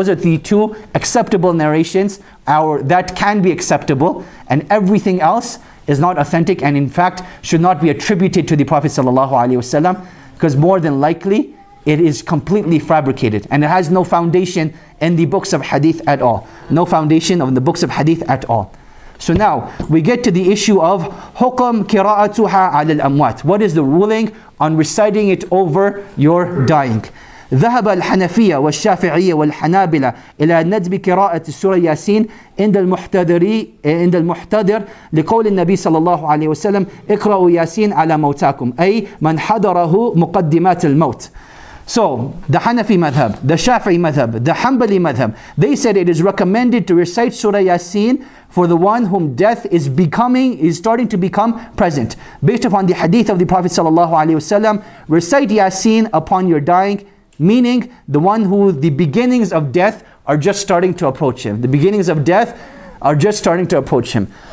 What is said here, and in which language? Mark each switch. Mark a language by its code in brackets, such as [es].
[en] Those are the two acceptable narrations that can be acceptable, and everything else is not authentic, and in fact should not be attributed to the Prophet sallallahu alaihi wasallam, because more than likely it is completely fabricated and it has no foundation in the books of hadith at all. No foundation in the books of hadith at all. So now we get to the issue of [ar] hukm qira'atuha 'ala al-amwat. [en] What is the ruling on reciting it over your dying? [ar] ذهب الحنفية والشافعية والحنابلة إلى ندب قراءة سورة ياسين عند المحتضر لقول النبي صلى الله عليه وسلم اقرأوا ياسين على موتاكم أي من حضره مقدمات الموت. [en] So the Hanafi madhab, the Shafi'i madhab, the Hanbali madhab, they said it is recommended to recite Surah Yasin for the one whom death is starting to become present. Based upon the hadith of the Prophet sallallahu alaihi wasallam, recite Yasin upon your dying, meaning the one who the beginnings of death are just starting to approach him. The beginnings of death are just starting to approach him.